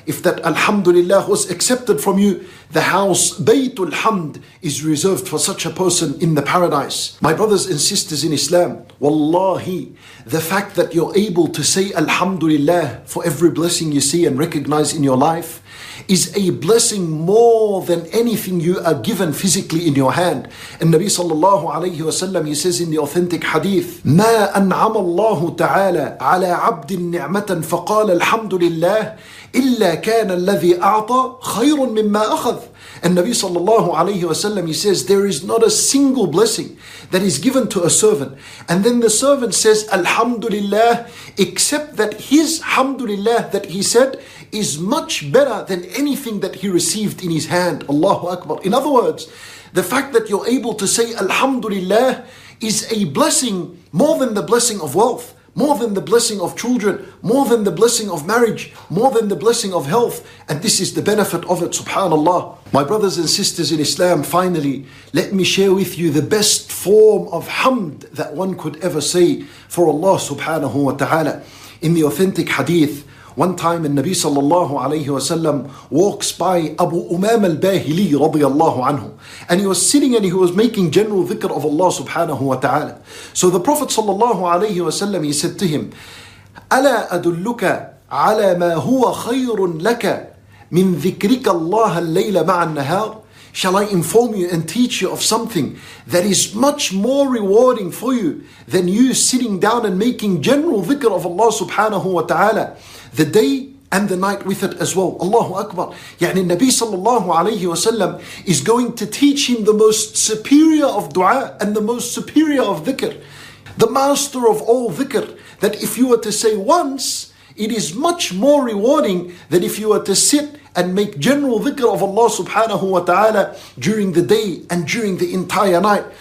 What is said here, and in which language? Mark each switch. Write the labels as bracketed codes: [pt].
[en] If that Alhamdulillah was accepted from you, the house Baytul Hamd is reserved for such a person in the paradise. My brothers and sisters in Islam, wallahi, the fact that you're able to say Alhamdulillah for every blessing you see and recognize in your life is a blessing more than anything you are given physically in your hand. And Nabi sallallahu alayhi wa sallam, he says in the authentic hadith, [ar] مَا أَنْعَمَ اللَّهُ تَعَالَى عَلَى عَبْدٍ نِعْمَةً فَقَالَ الْحَمْدُ لِلَّهِ إِلَّا كَانَ الَّذِي أَعْطَى خَيْرٌ مِمَّا أَخَذْ. [en] And Nabi sallallahu alayhi wa sallam, he says, there is not a single blessing that is given to a servant. And then the servant says, Alhamdulillah, except that his Alhamdulillah that he said is much better than anything that he received in his hand. Allahu Akbar. In other words, the fact that you're able to say Alhamdulillah is a blessing more than the blessing of wealth, more than the blessing of children, more than the blessing of marriage, more than the blessing of health. And this is the benefit of it, subhanallah. My brothers and sisters in Islam, finally, let me share with you the best form of hamd that one could ever say for Allah subhanahu wa ta'ala. In the authentic hadith, one time in Nabi sallallahu alayhi wa sallam walks by Abu Umam al-Bahili radiallahu anhu. And he was sitting and he was making general dhikr of Allah subhanahu wa ta'ala. So the Prophet sallallahu alayhi wa sallam, he said to him, [ar] أَلَا أَدُلُّكَ عَلَى مَا هُوَ خَيْرٌ لَكَ مِنْ ذِكْرِكَ اللَّهَ اللَّيْلَ مَعَ النَّهَارِ. [en] Shall I inform you and teach you of something that is much more rewarding for you than you sitting down and making general dhikr of Allah subhanahu wa ta'ala the day and the night with it as well? Allahu Akbar. Yani Nabi sallallahu alayhi wa sallam is going to teach him the most superior of dua and the most superior of dhikr, the master of all dhikr, that if you were to say once, it is much more rewarding than if you were to sit and make general dhikr of Allah subhanahu wa ta'ala during the day and during the entire night.